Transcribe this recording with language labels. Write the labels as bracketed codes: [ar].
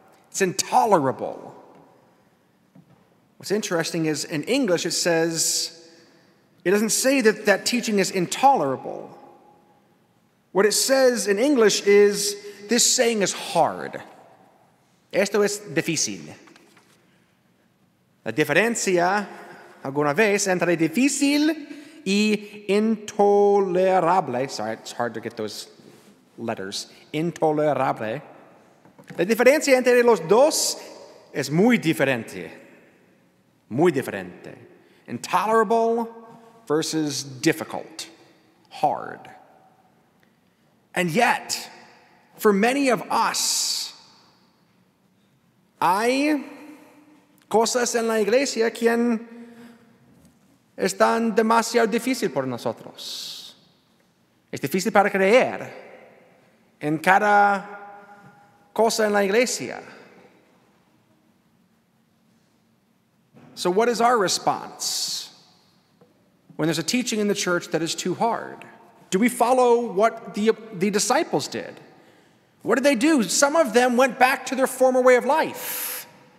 [en] It's intolerable. What's interesting is in English it says, it doesn't say that that teaching is intolerable. What it says in English is, this saying is hard. [es] Esto es difícil. La diferencia, alguna vez, entre difícil y intolerable. [en] Sorry, it's hard to get those letters. Intolerable. [es] La diferencia entre los dos es muy diferente. Muy diferente. [en] Intolerable versus difficult. Hard. And yet, for many of us, [es] hay cosas en la iglesia quien están demasiado difícil por nosotros. Es difícil para creer en cada cosa en la iglesia. [en] So what is our response when there's a teaching in the church that is too hard? Do we follow what the disciples did? What did they do? Some of them went back to their former way of life.